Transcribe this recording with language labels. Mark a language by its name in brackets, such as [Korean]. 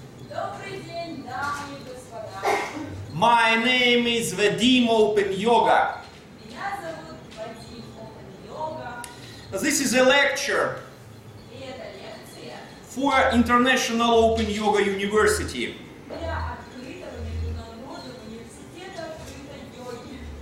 [Russian] Добрый день, дамы и господа. [English] My name is Vadim Open Yoga. [Russian] Меня зовут Vadim Open Yoga. [English] This is a lecture. [Russian] И это лекция. [English] For International Open Yoga University. [Russian] Для открытого международного университета открытой йоги.